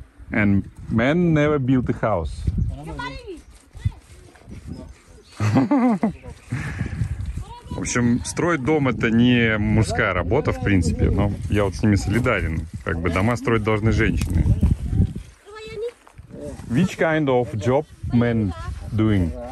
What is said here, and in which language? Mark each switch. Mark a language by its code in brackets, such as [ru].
[en] And man never built a house. [ru] В общем, строить дом — это не мужская работа, в принципе. Но я вот с ними солидарен. Как бы дома строить должны женщины. [en] Which kind of job men doing?